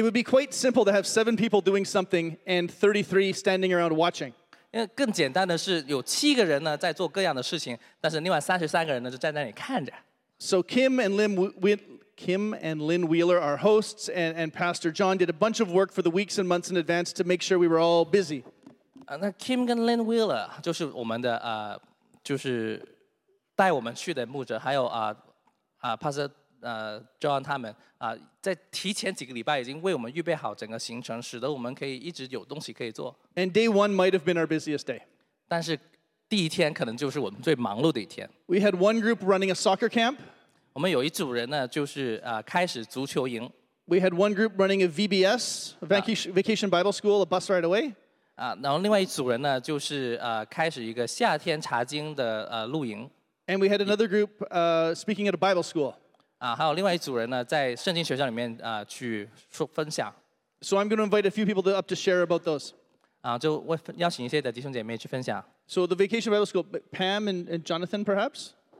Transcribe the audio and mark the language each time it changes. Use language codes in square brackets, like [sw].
[en] would be quite simple to have 7 people doing something and 33 standing around watching. [zh] 更简单的是有7个人呢在做各样的事情，但是另外33个人呢就站在那里看着。 [en] So Kim and Lynn, Kim and Lynn Wheeler, our hosts, and Pastor John did a bunch of work for the weeks and months in advance to make sure we were all busy. [zh] Kim and Lynn Wheeler, 就是我们的，就是带我们去的牧者，还有Pastor John他们，在提前几个礼拜已经为我们预备好整个行程，使得我们可以一直有东西可以做。 [en] And day one might have been our busiest day. [zh] 但是第一天可能就是我们最忙碌的一天。 [en] We had one group running a soccer camp. [zh] 我们有一组人呢，就是开始足球营。 [en] We had one group running a VBS, Vacation Bible School, a bus ride away. [zh] 然后另外一组人呢，就是开始一个夏天查经的露营。 [en] And we had another group speaking at a Bible school. [zh] 还有另外一组人呢，在圣经学校里面去分享。 [en] So I'm going to invite a few people up to share about those. [zh] 就邀请一些的弟兄姐妹去分享。 [en] So the Vacation Bible School, Pam and Jonathan, perhaps?